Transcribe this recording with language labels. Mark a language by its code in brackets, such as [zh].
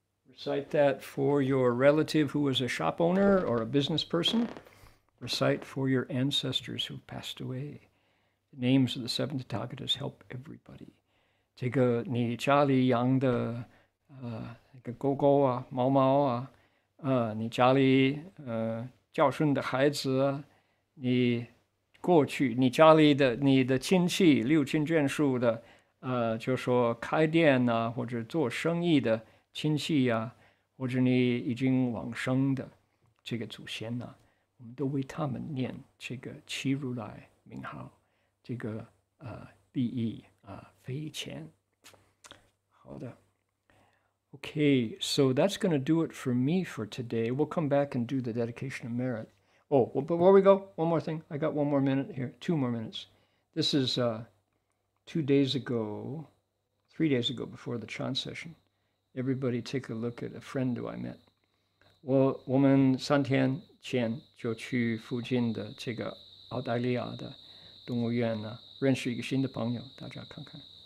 [en] Recite that for your relative who was a shop owner or a business person. Recite for your ancestors who passed away. The names of the seven Tathagatas help everybody. [zh] 这个你家里养的狗狗啊，猫猫啊，你家里教训的孩子，你过去，你家里的你的亲戚六亲眷属的，就说开店呐、啊，或者做生意的亲戚呀、啊，或者你已经往生的这个祖先呐、啊，我们都为他们念这个七如来名号，这个利益啊，非钱。好的。 [en] Okay, so that's going to do it for me for today. We'll come back and do the dedication of merit. Oh, well, before we go, one more thing. I got one more minute here, two more minutes. This is 2 days ago, 3 days ago before the chant session. Everybody take a look at a friend who I met. [zh] 我们三天前就去附近的这个澳大利亚的动物园呢，认识一个新的朋友，大家看看。